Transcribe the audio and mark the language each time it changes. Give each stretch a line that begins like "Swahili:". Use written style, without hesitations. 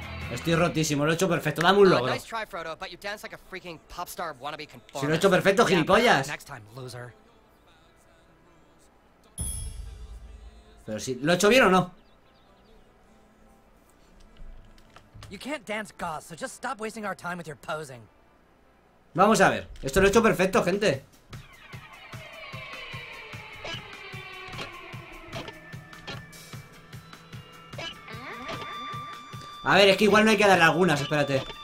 Spanish: Estoy rotísimo, lo he hecho perfecto, dame un logro.
English: Nice try, Frodo, but you dance like a freaking pop star wannabe conformist.
Spanish: Si lo he hecho perfecto, gilipollas.
English: Next time, loser.
Spanish: Pero si, ¿lo he hecho bien o no?
English: You can't dance goth, so just stop wasting our time with your posing.
Spanish: Vamos a ver, esto lo he hecho perfecto, gente. A ver, es que igual no hay que darle algunas, espérate.